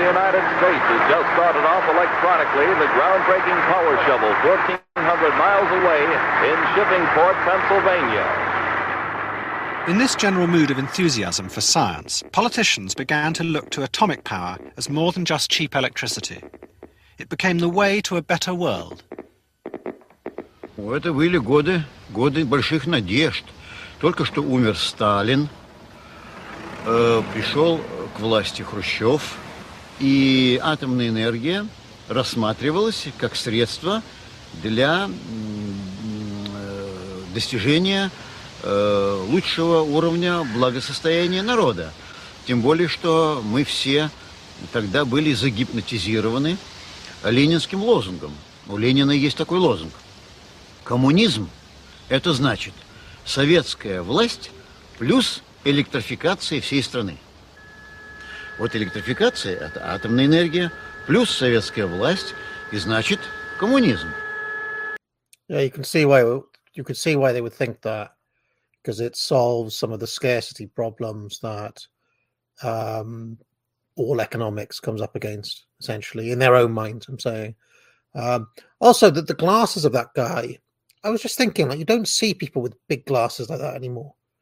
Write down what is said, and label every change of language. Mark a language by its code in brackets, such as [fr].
[en] the United States has just started off electronically the groundbreaking power shovel 1,400 miles away in Shippingport, Pennsylvania. In this general mood of enthusiasm for science, politicians began to look to atomic power as more than just cheap electricity. It became the way to a better world. [ru] Это были годы, годы больших надежд. Только что умер Сталин, пришел к власти Хрущев, и атомная энергия рассматривалась как средство для достижения лучшего уровня благосостояния народа. Тем более, что мы все тогда были загипнотизированы ленинским лозунгом. У Ленина есть такой лозунг. Коммунизм – это значит советская власть плюс электрификация всей страны. Вот электрификация – это атомная энергия плюс советская власть, и значит коммунизм. [en] Yeah, you can see why they would think that, because it solves some of the scarcity problems that all economics comes up against, essentially, in their own minds, I'm saying. Also, that the glasses of that guy, I was just thinking, like, you don't see people with big glasses like that anymore.